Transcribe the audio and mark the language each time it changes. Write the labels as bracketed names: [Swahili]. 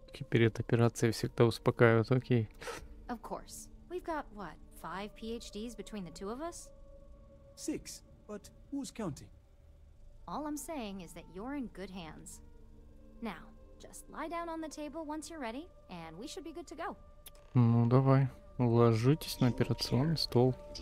[Russian] Перед операцией всегда успокаивают, окей. [English] Of course. We've got, what, 5 PhDs between the two of us? 6, but who's counting? All I'm saying is that you're in good hands. Now, just lie down on the table once you're ready, and we should be good to go. [Russian] Ну давай, ложитесь на операционный стол.